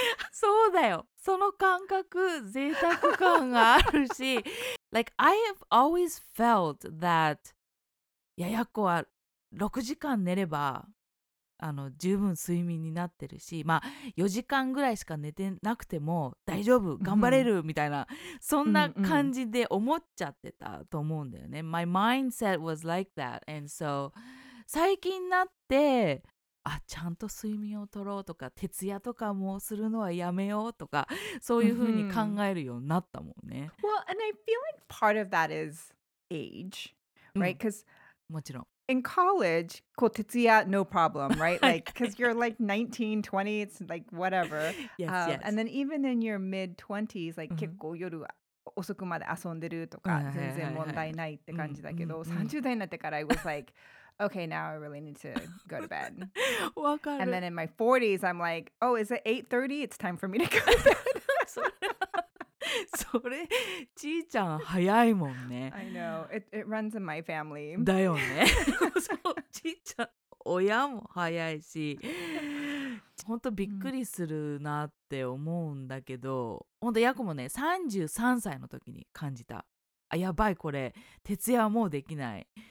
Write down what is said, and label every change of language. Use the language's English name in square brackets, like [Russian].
[Japanese] そうだよ、その感覚、贅沢感があるし [English] Like, I have always felt that [Japanese] Yayako は6時間寝れば十分睡眠になってるし、まあ4時間ぐらいしか寝てなくても大丈夫、頑張れるみたいな、そんな感じで思っちゃってたと思うんだよね。 [English] My mindset was like that. And so, [Japanese] 最近になって、ちゃんと睡眠をとろうとか、徹夜とかもするのはやめようとか、そういうふうに考えるようになったもんね。 [English] Well, and I feel like part of that is age, right? Because [Japanese] もちろん。 [English] In college, [Japanese] こう徹夜 [English] no problem, right? Like, because you're like 19, 20, it's like whatever. Yes. And then even in your mid-20s, like [Japanese] 結構夜遅くまで遊んでるとか、全然問題ないって感じだけど、30代になってから [English] I was like,Okay, now I really need to go to bed. And then in my 40s, I'm like, oh, is it 8:30? It's time for me to go to bed. [Japanese] それ、ちーちゃん早いもんね。 [English] I know. It runs in my family. [Japanese] だよね。そう、ちーちゃん、親も早いし、本当びっくりするなって思うんだけど、本当、ヤコもね、33歳の時に感じた。あ、やばい、これ、徹夜はもうできない。